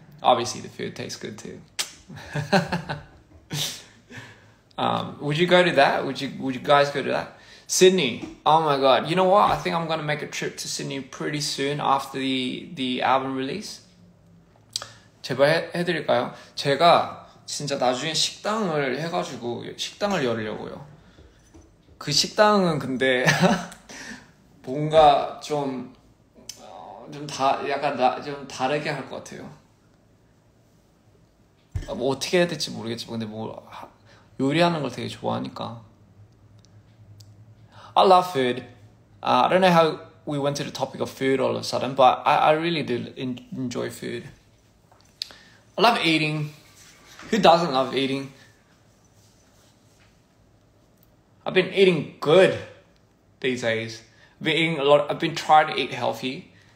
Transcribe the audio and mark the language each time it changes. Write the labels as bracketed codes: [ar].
[en] Obviously, the food tastes good too. Would you go to that? Would you guys go to that? Sydney. Oh my God. You know what? I think I'm going to make a trip to Sydney pretty soon after the album release. [ko] 제발 해드릴까요? 제가 진짜 나중에 식당을 해가지고 식당을 열려고요. 그 식당은 근데 뭔가 좀 다르게 할 것 같아요. 뭐 어떻게 해야 될지 모르겠지만 근데 뭐 요리하는 걸 되게 좋아하니까. [en] I love food. I don't know how we went to the topic of food all of a sudden, but I really do enjoy food. I love eating. Who doesn't love eating? I've been eating good these days. I've been trying to eat healthy.